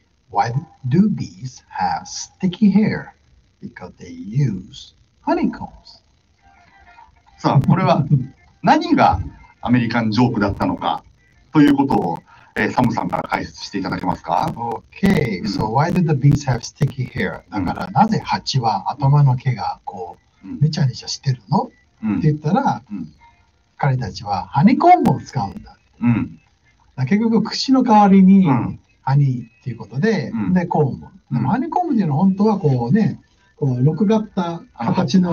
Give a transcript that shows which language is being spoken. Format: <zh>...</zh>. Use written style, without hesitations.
<en>Why do bees have sticky hair? Because they use honeycombs.</en> <ja>さあ、これは何がアメリカンジョークだったのかということを、サムさんから解説していただけますか。</ja> <en>Okay, so why did the bees have sticky hair?</en> <ja>だからなぜハチは頭の毛がこうめちゃめちゃしてるの、って言ったら、彼たちはハニコンボを使うんだ、結局口の代わりにハニっていうことで、でコンボ、でもハニコンボっていうのは本当はこうね、こう六がった形の</ja>